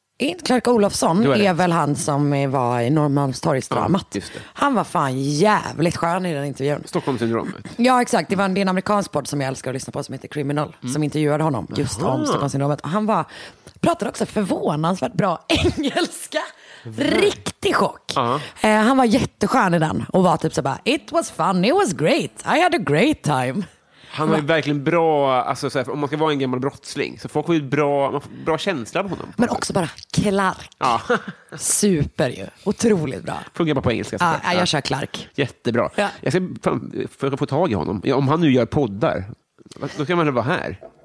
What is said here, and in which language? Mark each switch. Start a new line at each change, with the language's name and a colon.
Swedish: Inte Clark Olofsson är väl han som var i Norrmalmstorgsdramat. Ja, han var fan jävligt skön i den intervjun. Stockholmssyndromet. Ja, exakt. Det är en amerikansk podd som jag älskar att lyssna på som heter Criminal. Mm. Som intervjuade honom just om Stockholmssyndromet. Och han pratade också förvånansvärt bra engelska. Riktig chock. Uh-huh. Han var jätteskön i den. Och var typ så bara,
English: it was fun, it was great. I had a great time.
Swedish: Han är verkligen bra, alltså såhär, om man ska vara en gammal brottsling. Så folk har ju bra känsla på honom. Men också bara Clark. Ja. Super ju, otroligt bra. Funkar bara på engelska. Ja, jag kör Clark. Jättebra. Ja. Jag ska få tag i honom. Om han nu gör poddar, då kan man väl vara här.